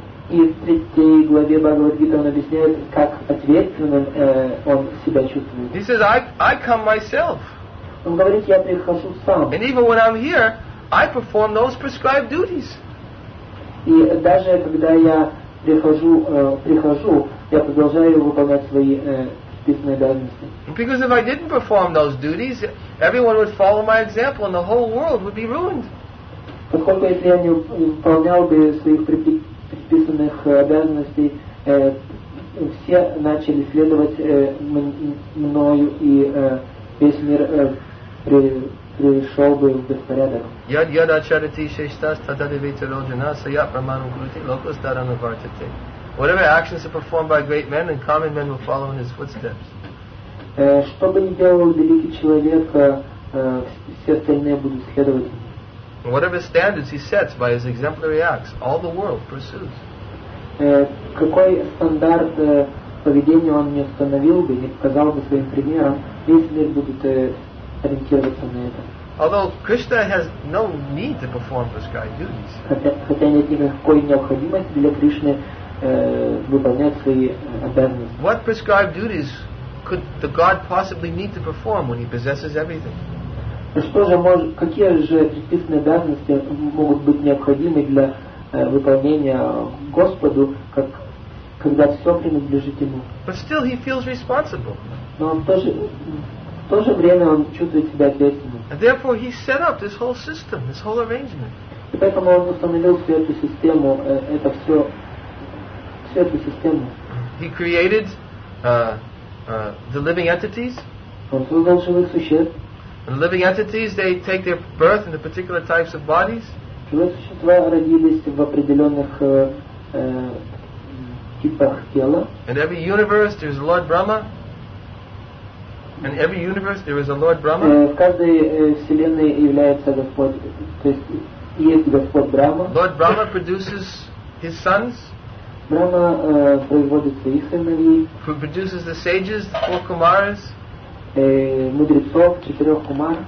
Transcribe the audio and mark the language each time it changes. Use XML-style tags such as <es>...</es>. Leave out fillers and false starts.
<ru>И в третьей главе Бхагавад-гиты он объясняет, как ответственным он себя чувствует.</ru> <en>He says, I come myself.</en> <ru>Он говорит, я прихожу сам.</ru> <en>And even when I'm here, I perform those prescribed duties.</en> <ru>И даже когда я прихожу, я продолжаю выполнять свои списанные обязанности.</ru> <en>Because if I didn't perform those duties, everyone would follow my example and the whole world would be ruined.</en> <ru>Поскольку если я не выполнял бы своих предписанных обязанностей, все начали следовать мною, и весь мир пришел бы в беспорядок. Я начал идти шестас, тогда девяти лоджи наса, я проману грути, локус дарану вартите.</ru> <en>Whatever actions are performed by great men and common men will follow in his footsteps.</en> <ru>Что бы ни делал великий человек, все остальные будут следовать ему.</ru> <en>Whatever standards he sets by his exemplary acts, all the world pursues.</en> <ru>Какой стандарт поведения он не установил бы, не показал бы своим примером, весь мир будет ориентироваться на это.</ru> <en>Although Krishna has no need to perform prescribed duties.</en> <ru>Хотя нет никакой необходимости для Кришны выполнять свои обязанности.</ru> <en>What prescribed duties could the God possibly need to perform when he possesses everything?</en> <ru>Какие же предписанные обязанности могут быть необходимы для выполнения Господу, когда все принадлежит ему?</ru> <en>But still he feels responsible.</en> <ru>Но в то же время он чувствует себя ответственным.</ru> <en>And therefore he set up this whole system, this whole arrangement.</en> <ru>И поэтому он установил всю эту систему, всю эту систему.</ru> <en>He created the living entities.</en> <ru>Он создал живых существ.</ru> <en>And living entities, they take their birth in the particular types of bodies.</en> <ru>Живые существа родились в определенных типах тела.</ru> <en>In every universe, there is a Lord Brahma. In every universe, there is a Lord Brahma.</en> <ru>В каждой вселенной является Господь, то есть есть Господь Брахма.</ru> <en>Lord Brahma produces his sons.</en> <ru>Брахма производит своих сыновей.</ru> <en>Who produces the sages, the four Kumaras?</en> <ru>Мудрецов, четырех кумар.</ru>